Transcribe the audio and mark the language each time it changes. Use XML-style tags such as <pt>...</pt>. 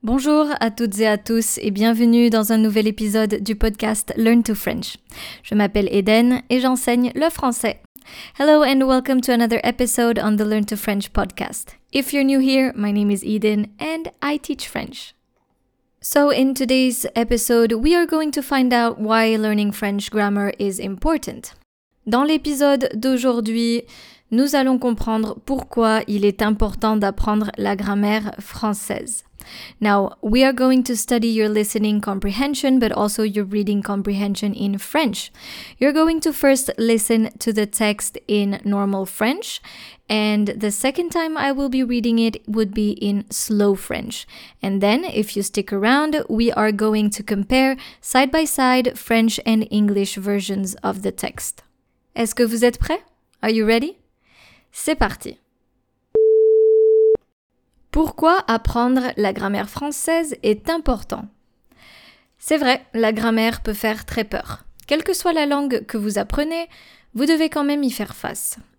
<fr>Bonjour à toutes et à tous et bienvenue dans un nouvel épisode du podcast Learn to French. Je m'appelle Eden et j'enseigne le français.</fr> <en>Hello and welcome to another episode on the Learn to French podcast. If you're new here, my name is Eden and I teach French. So in today's episode, we are going to find out why learning French grammar is important.</en> <fr>Dans l'épisode d'aujourd'hui, nous allons comprendre pourquoi il est important d'apprendre la grammaire française.</fr> <en>Now, we are going to study your listening comprehension, but also your reading comprehension in French. You're going to first listen to the text in normal French, and the second time I will be reading it would be in slow French. And then, if you stick around, we are going to compare side by side French and English versions of the text.</en> <fr>Est-ce que vous êtes prêts?</fr> <en>Are you ready?</en> <fr>C'est parti! Pourquoi apprendre la grammaire française est important? C'est vrai, la grammaire peut faire très peur. Quelle que soit la langue que vous apprenez, vous devez quand même y faire face.</fr>